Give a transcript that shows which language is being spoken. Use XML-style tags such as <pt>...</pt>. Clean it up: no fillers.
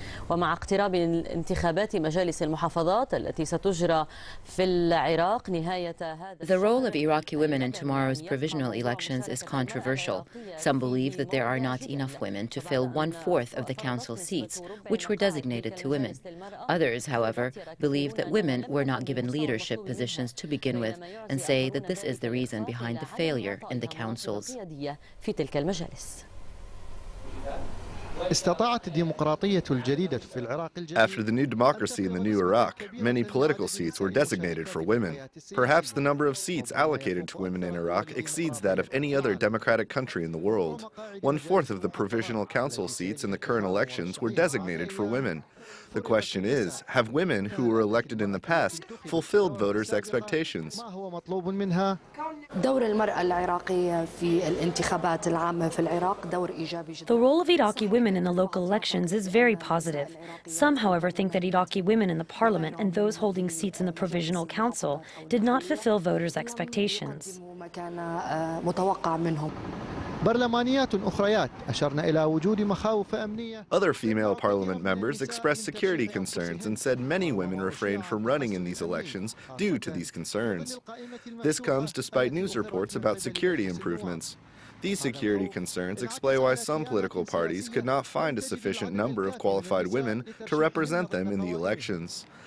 <ar>ومع اقتراب انتخابات مجالس المحافظات التي ستجرى في العراق نهاية هذا.</ar> <en>The role of Iraqi women in tomorrow's provisional elections is controversial. Some believe that there are not enough women to fill 1/4 of the council seats, which were designated to women. Others, however, believe that women were not given leadership positions to begin with, and say that this is the reason behind the failure in the councils.</en> <ar>في تلك المجالس. استطاعت الديمقراطية الجديدة في العراق.</ar> <en>After the new democracy in the new Iraq, many political seats were designated for women. Perhaps the number of seats allocated to women in Iraq exceeds that of any other democratic country in the world. 1/4 of the provisional council seats in the current elections were designated for women. The question is, have women who were elected in the past fulfilled voters' expectations?</en> <ar>ما هو مطلوب منها دور المرأة العراقية في الانتخابات العامة في العراق دور إيجابي جدا.</ar> <en>The role of Iraqi women in the local elections is very positive. Some, however, think that Iraqi women in the parliament and those holding seats in the provisional council did not fulfill voters' expectations.</en> <ar>ما كان متوقع منهم. برلمانيات أخريات أشرنا إلى وجود مخاوف أمنية.</ar> <en>Other female parliament members expressed security concerns and said many women refrained from running in these elections due to these concerns. This comes despite news reports about security improvements. These security concerns explain why some political parties could not find a sufficient number of qualified women to represent them in the elections.</en>